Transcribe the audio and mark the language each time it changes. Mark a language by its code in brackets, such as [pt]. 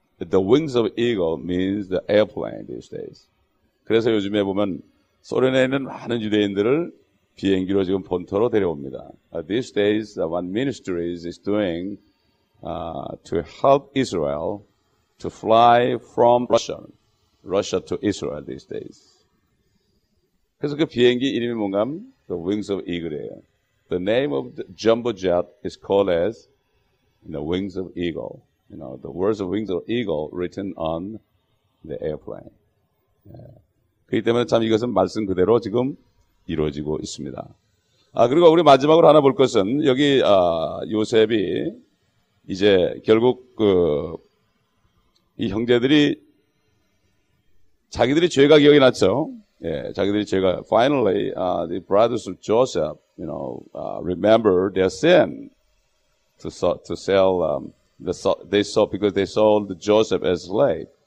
[en] The wings of eagle means the airplane these days. [ko] 그래서 요즘에 보면 소련에 있는 많은 유대인들을 비행기로 지금 본토로 데려옵니다. [en] These days, one ministry is doing to help Israel to fly from Russia to Israel these days. [ko] 그래서 그 비행기 이름이 뭔가 하면 The Wings of Eagle예요. [en] The name of the jumbo jet is called as the Wings of Eagle. You know, the words of Wings of Eagle written on the airplane. Yeah. [ko] 그렇기 때문에 참 이것은 말씀 그대로 지금 이루어지고 있습니다. 그리고 우리 마지막으로 하나 볼 것은 여기 요셉이 이제 결국 이 형제들이 자기들이 죄가 기억이 났죠. 예, 자기들이 죄가 [en] finally the brothers of Joseph, you know, remember their sin because they sold Joseph as slave.